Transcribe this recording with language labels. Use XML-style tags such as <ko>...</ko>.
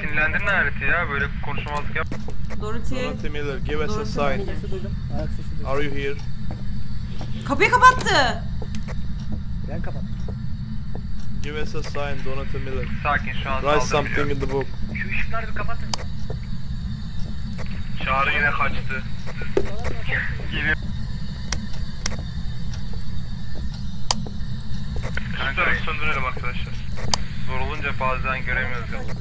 <tr>Sinirlendin ne Dorothy ya, böyle konuşmazlık yap.</tr> <en>Dorothy Miller, give us a sign. Are you here?</en> <tr>Kapıyı kapattı. Ben kapattım.</tr> <en>Give us a sign, Donut Miller.</en> <tr>Sakin, şu an saldırıyor.</tr> <en>Write something in the book.</en> <tr>Şu ışıkları bir kapatın. Çağrı yine kaçtı. Geliyor. Işıkları söndürelim arkadaşlar. Zor olunca bazen göremiyoruz ya.</tr>